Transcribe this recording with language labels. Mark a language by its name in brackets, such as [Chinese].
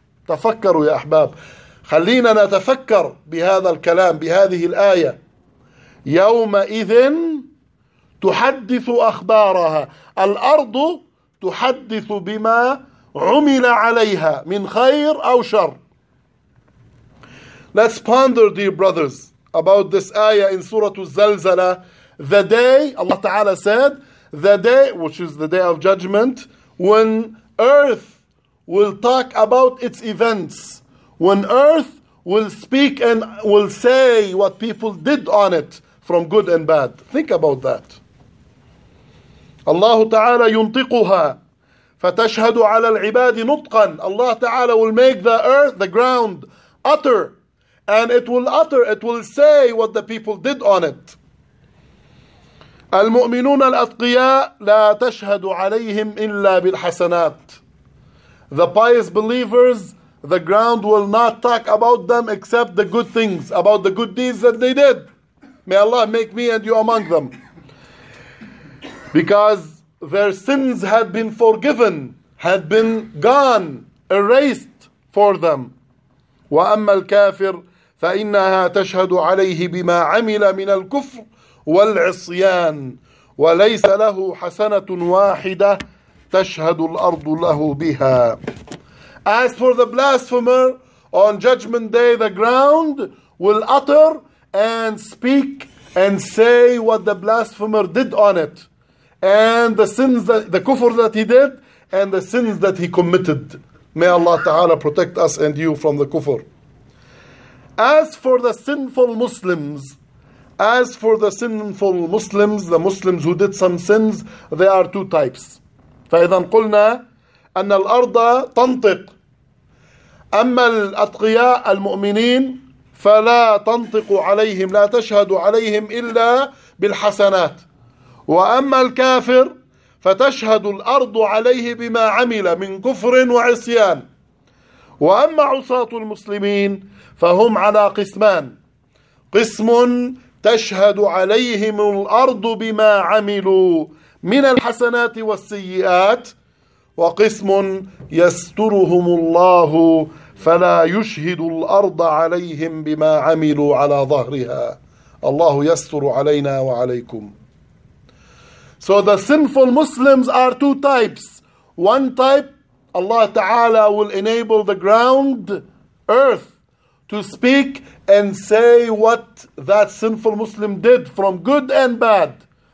[Arabic] تفكروا يا أحباب، خلينا نتفكر بهذا الكلام، بهذه الآية. يومئذ تحدث أخبارها، الأرض تحدث بما عمل عليها من خير أو شر. [English] Let's ponder, dear brothers, about this ayah in Surah الزلزلة. The day, Allah Ta'ala said, the day, which is the day of judgment, when earth will talk about its events, when earth will speak and will say what people did on it from good and bad. Think about that. Allah Ta'ala [Arabic] yuntiquha fatashhadu ala al-ibadi nutqan. [English] Allah Ta'ala will make the earth, the ground, utter, and it will utter, it will say what the people did on it. [Arabic] المؤمنون الأتقياء لا تشهد عليهم إلا بالحسنات. [English] The pious believers, the ground will not talk about them except the good things, about the good deeds that they did. May Allah make me and you among them. Because their sins had been forgiven, had been gone, erased for them. [Arabic] وأما الكافر فإنها تشهد عليه بما عمل من الكفر والعصيان وليس له حسنة واحدة تشهد الأرض له بها. [English] As for the blasphemer, on judgment day the ground will utter and speak and say what the blasphemer did on it, and the sins that, the kufr that he did, and the sins that he committed. May Allah Ta'ala protect us and you from the kufr. As for the sinful Muslims, as for the sinful Muslims, the Muslims who did some sins, they are two types. [Arabic] فإذا قلنا أن الأرض تنطق أما الأتقياء المؤمنين فلا تنطق عليهم لا تشهد عليهم إلا بالحسنات وأما الكافر فتشهد الأرض عليه بما عمل من كفر وعصيان وأما عصاة المسلمين فهم على قسمان قسم تشهد عليهم الأرض بما عملوا من الحسنات والسيئات وقسم يسترهم الله فلا يشهد الأرض عليهم بما عملوا على ظهرها. الله يستر علينا وعليكم. [English] So the sinful Muslims are two types. One type, Allah Ta'ala will enable the ground, earth, to speak and say what that sinful Muslim did from good and bad.